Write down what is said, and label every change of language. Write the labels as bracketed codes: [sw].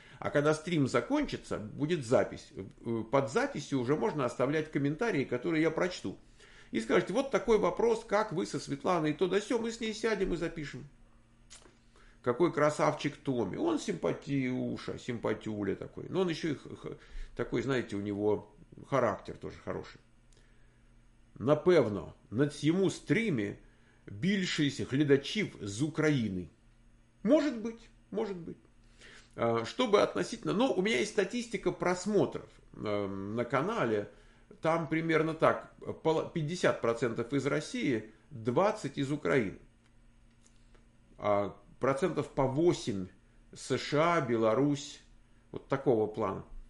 [ru] А когда стрим закончится, будет запись. Под записью уже можно оставлять комментарии, которые я прочту. И скажете, вот такой вопрос, как вы со Светланой, то да сё, мы с ней сядем и запишем. Какой красавчик Томми. Он симпатиуша, симпатюля такой. Но он еще и такой, знаете, у него характер тоже хороший. [uk] Напевно, на цьому стриме більшість глядачів з України. [ru] Может быть, может быть. Чтобы относительно... Ну, у меня есть статистика просмотров на канале. Там примерно так. 50% из России, 20% из Украины. А процентов по 8% США, Беларусь. Вот такого плана.